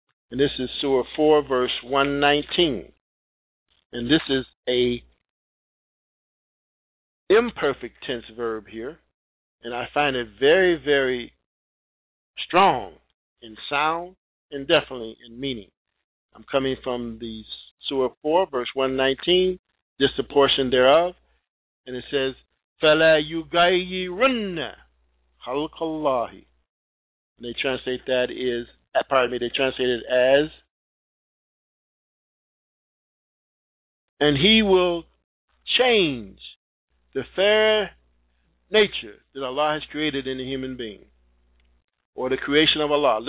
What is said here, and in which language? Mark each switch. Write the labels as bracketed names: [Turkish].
[English] And this is Surah 4, verse 119. And this is a imperfect tense verb here. And I find it very, very strong in sound and definitely in meaning. I'm coming from the Surah 4, verse 119, just a portion thereof. And it says, [Arabic] فَلَا يُغَيِّرُنَّ خَلْقَ اللَّهِ. [English] And they translate that is, pardon me, they translate it as, and he will change the fair nature that Allah has created in a human being, or the creation of Allah.